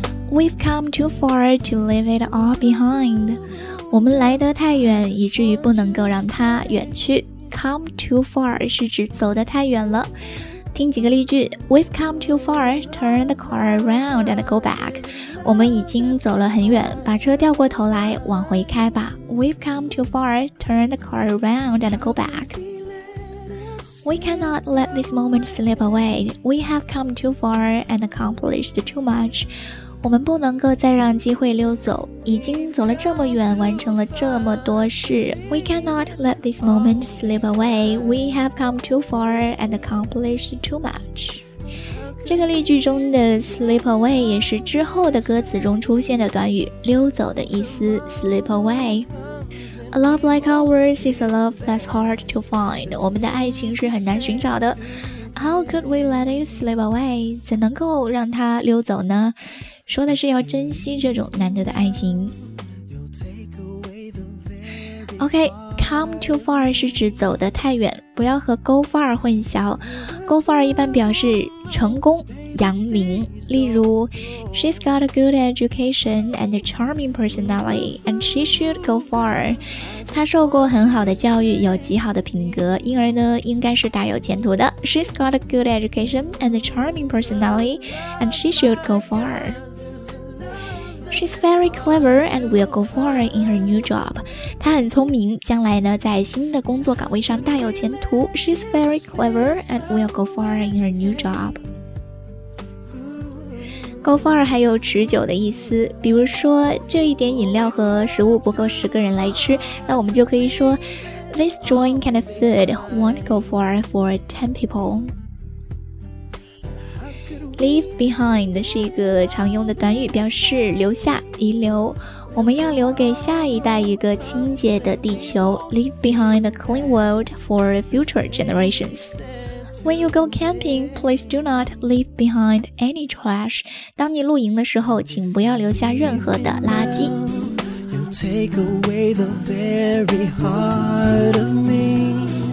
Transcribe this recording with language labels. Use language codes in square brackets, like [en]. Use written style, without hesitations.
[en] We've come too far to leave it all behind. [zh] 我们来得太远，以至于不能够让它远去。 Come too far 是指走得太远了。听几个例句。 [en] We've come too far, turn the car around and go back. [zh] 我们已经走了很远，把车调过头来往回开吧。 [en] We've come too far, turn the car around and go back. We cannot let this moment slip away. We have come too far and accomplished too much. [zh] 我们不能够再让机会溜走，已经走了这么远，完成了这么多事。 [en] We cannot let this moment slip away. We have come too far and accomplished too much. [zh] 这个例句中的 slip away 也是之后的歌词中出现的短语，溜走的意思， slip away。 [en] A love like ours is a love that's hard to find. [zh] 我们的爱情是很难寻找的。 [en] How could we let it slip away? [zh] 怎能够让它溜走呢？说的是要珍惜这种难得的爱情。 OK, come too far 是指走得太远，不要和 go far 混淆。 [en] Go far [zh] 一般表示成功、扬名，例如 [en] She's got a good education and a charming personality, and she should go far. [zh] 她受过很好的教育，有极好的品格，因而呢，应该是大有前途的。 [en] She's got a good education and a charming personality, and she should go far. She's very clever and will go far in her new job. [zh] 她很聪明，将来呢，在新的工作岗位上大有前途。 [en] She's very clever and will go far in her new job. [zh] Go far 还有持久的意思，比如说这一点饮料和食物不够十个人来吃，那我们就可以说 [en] This joint kind of food won't go far for 10 people. [zh] Leave behind 是一个常用的短语，表示留下、遗留。我们要留给下一代一个清洁的地球， [en] Leave behind a clean world for future generations. When you go camping, please do not leave behind any trash. [zh] 当你露营的时候，请不要留下任何的垃圾。 [en] You take away the very heart of me.